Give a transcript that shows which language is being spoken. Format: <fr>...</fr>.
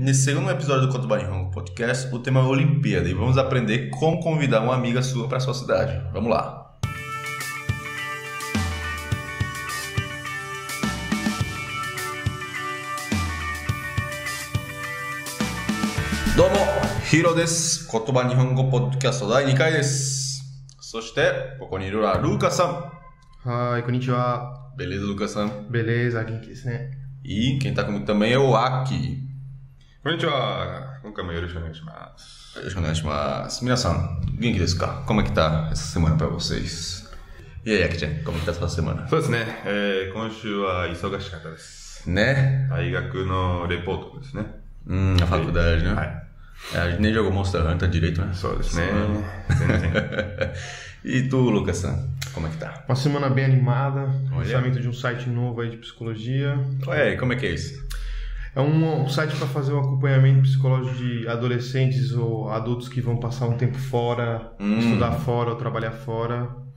<pt>Nesse segundo episódio do Conto Baião Podcast, o tema é a Olimpíada e vamos aprender como convidar uma amiga sua para a sua cidade. Vamos lá!</pt> <ja>Domo, Hiro desu. Koto ba Nihongo Podcast 第2回です。そして、ここにいるのはルーカさん。はーい、こんにちは。</ja> <pt>Beleza, ルーカさん。 beleza、</pt> <ja>元気ですね。</ja> <pt>E quem tá comigo também é o Aki.</pt> <ja>こんにちは。今回もよろしくお願いします。よろしくお願いします。皆さん、元気ですか？</ja> <pt>Como é que tá essa semana pra vocês? E aí, Aki ちゃん、como é que tá essa semana?</pt> <ja>そうですね。今週は忙しかったです。ね。大学のレポートですね。</ja> <pt>A faculdade, né?</pt> <ja>はい。</ja> <pt>A gente nem jogou Monster Hunter direito, né? Só isso, né? E tu, Lucasan, como é que tá? Uma semana bem animada, olha. Lançamento de um site novo aí de psicologia. Ué, como é que é isso? É um site para fazer o um acompanhamento psicológico de adolescentes ou adultos que vão passar um tempo fora, estudar fora ou trabalhar fora.</pt>